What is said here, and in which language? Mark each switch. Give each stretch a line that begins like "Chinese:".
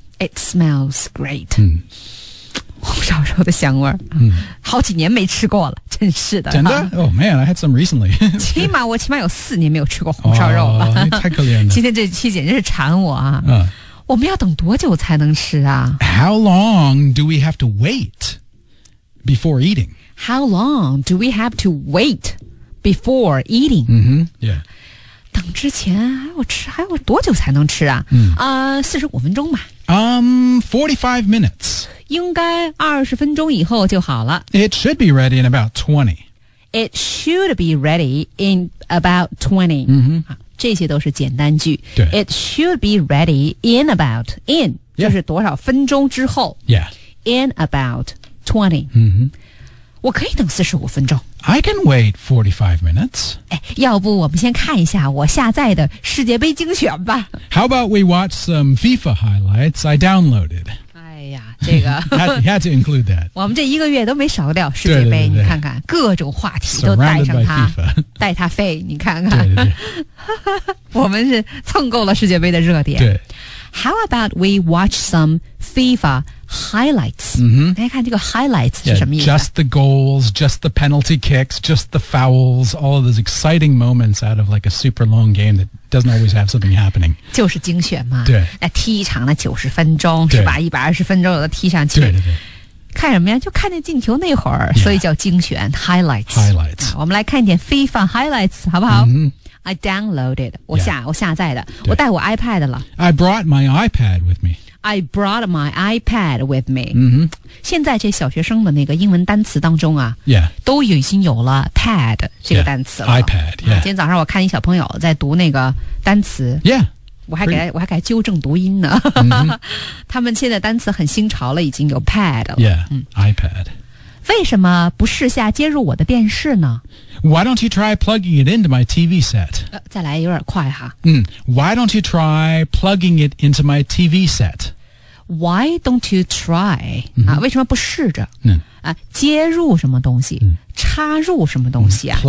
English: it smells great、 mm.
Chinese: 红烧肉的香味儿、嗯、好几年没吃过了，真是的。真的、
English: 啊、Oh man, I had some recently.
Chinese: 起码我起码有四年没有吃过红烧肉了、哦、太可怜了。今天这期简直是馋我啊、我们要等多久才能吃啊？
English: How long do we have to wait before eating? How long do we have to wait before eating? Mm-hmm, yeah.
Chinese: 等之前还有多久才能吃啊？嗯， 45分钟吧。
English: 45 minutes.
Chinese: 应该20分钟以后就好了。
English: It should be ready in about 20. It should be ready in about 20. 嗯哼，
Chinese: 这些都是简单句。对。
English: It should be ready in about, in,、 yeah.
Chinese: 就是多少分钟之后。
English: Yeah. In about 20. 嗯哼。
Chinese: 我可以等45分钟。
English: I can wait 45 minutes.
Chinese: 哎，要不我们先看一下我下载的世界杯精选吧。
English: How about we watch some FIFA highlights I downloaded?
Chinese: 哎呀，这个。
English: had to include that.
Chinese: 我们这一个月都没少掉世界杯，对对对对，你看看，各种话题都带上它。带它飞，你看看。对对对我们是蹭够了世界杯的热点。对。
English: How about we watch some FIFA highlights?、 Mm-hmm.
Chinese: 大家看这个 highlights 是什么意思、
English: yeah, just the goals, just the penalty kicks, just the fouls, all of those exciting moments out of like a super long game that doesn't always have something happening.
Chinese: 就是精选嘛。对。那踢一场那90分钟是吧 ,120 分钟有的踢上去。对对对。看什么呀，就看见进球那会儿、
English: yeah.
Chinese: 所以叫精选 highlights。
English: Highlights、
Chinese: 啊。我们来看一点 FIFA highlights, 好不好、 mm-hmm.
English: I downloaded,
Chinese: 我下载的、
English: yeah.
Chinese: 我带我 iPad 了。
English: I brought my iPad with me. I brought my iPad with me.、 Mm-hmm.
Chinese: 现在这小学生的那个英文单词当中啊、
English: yeah.
Chinese: 都已经有了 pad 这个单词了。
English: Yeah. iPad, yeah.、
Chinese: 啊、今天早上我看一小朋友在读那个单词。
English: Yeah.
Chinese: 我还给纠正读音呢。 mm-hmm. 他们现在单词很新潮了，已经有 pad 了。
English: Yeah,、嗯、iPad.
Chinese: 为什么不试下接入我的电视呢？
English: Why don't you try plugging it into my TV set?、
Chinese: 再来有点快哈。
English: 嗯、Why don't you try plugging it into my TV set? Why don't you try?、嗯
Chinese: 啊、为什么不试着、嗯啊、接入什么东西、嗯、插入什么东西啊、嗯、